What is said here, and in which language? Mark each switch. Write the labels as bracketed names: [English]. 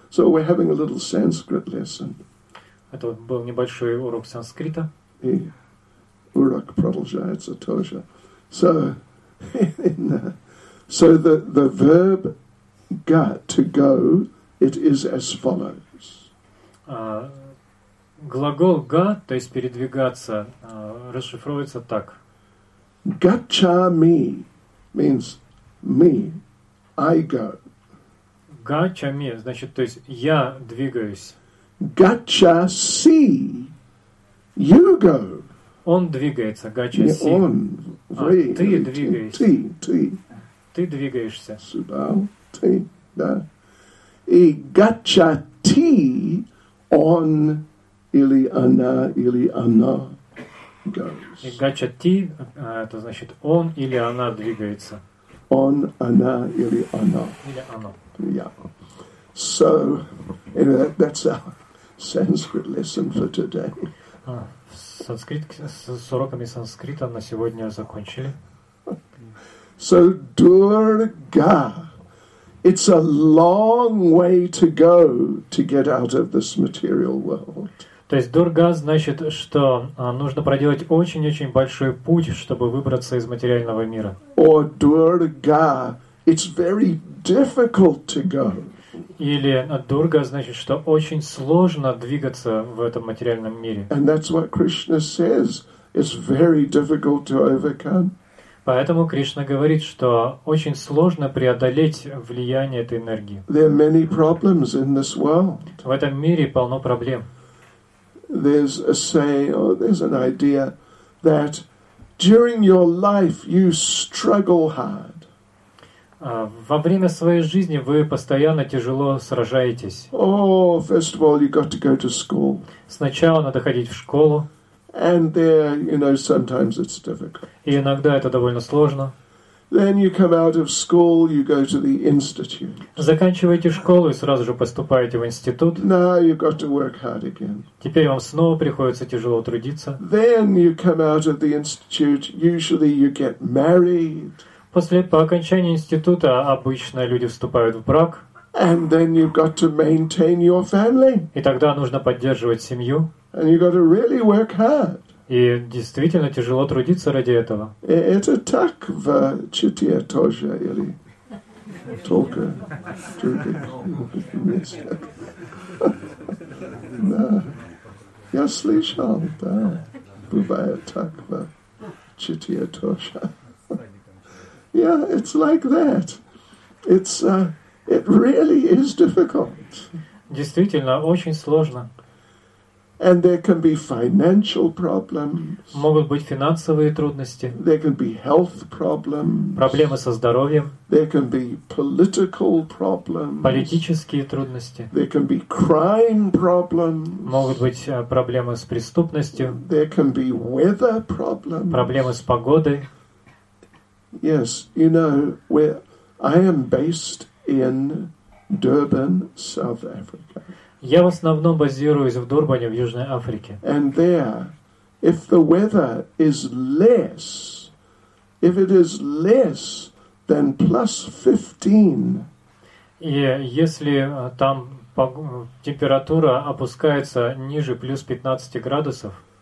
[English] So we're having a little Sanskrit lesson. [Russian] Это был небольшой урок санскрита. И урок продолжается тоже. [English] So, the verb "га" to go, it is as follows. [Russian] Глагол "га", то есть передвигаться, расшифровывается так. [English] Гачами. Means me, I go. [Russian] Gacha me, значит, то есть я двигаюсь. [English] Gacha si, you go. [Russian] Он двигается, gacha si. Он, вы, ты двигаешься. Ты двигаешься. Subal, ты, да. И gacha ti, он или она, или оно. И гача ти, это значит он или она двигается. Он, она или оно. Или оно. [English] Yeah. So, anyway, that's our Sanskrit lesson for today. [Russian] санскрит, с уроками санскрита на сегодня закончили. [English] So Durga, it's a long way to go to get out of this material world. [Russian] То есть Дурга значит, что нужно проделать очень-очень большой путь, чтобы выбраться из материального мира. [English] Or Durga, it's very difficult to go. [Russian] Или Дурга значит, что очень сложно двигаться в этом материальном мире. [English] And that's what Krishna says. It's very difficult to overcome. [Russian] Поэтому Кришна говорит, что очень сложно преодолеть влияние этой энергии. [English] There are many problems in this world. [Russian] В этом мире полно проблем. [English] There's a saying, or there's an idea that during your life you struggle hard. [Russian] Во время своей жизни вы постоянно тяжело сражаетесь. [English] Oh, first of all, you got to go to school. [Russian] Сначала надо ходить в школу. [English] And there, you know, sometimes it's difficult. [Russian] И иногда это довольно сложно. [English] Then you come out of school, you go to the institute. [Russian] Заканчиваете школу и сразу же поступаете в институт. [English] Now you've got to work hard again. [Russian] Теперь вам снова приходится тяжело трудиться. [English] Then you come out of the institute, usually you get married. [Russian] После по окончании института обычно люди вступают в брак. [English] And then you've got to maintain your family. [Russian] И тогда нужно поддерживать семью. [English] And you got to really work hard. [Russian] И действительно тяжело трудиться ради этого. Это так в чите тоже или только других местах. Да, я слышал, да, бывает так в чите тоже. [English] Yeah, it's like that. It's it really is difficult. [Russian] Действительно, очень сложно. [English] And there can be financial problems. [Russian] Могут быть финансовые трудности. [English] There can be health problems. [Russian] Проблемы со здоровьем. [English] There can be political problems. [Russian] Политические трудности. [English] There can be crime problems. [Russian] Могут быть проблемы с преступностью. [English] There can be weather problems. [Russian] Проблемы с погодой. [English] Yes, you know, where I am based in Durban, South Africa. [Russian] Я в основном базируюсь в Дурбане, в Южной Африке. [English] And there, if the weather is less, if it is less than plus 15, [Russian] и если там температура опускается ниже плюс 15 градусов,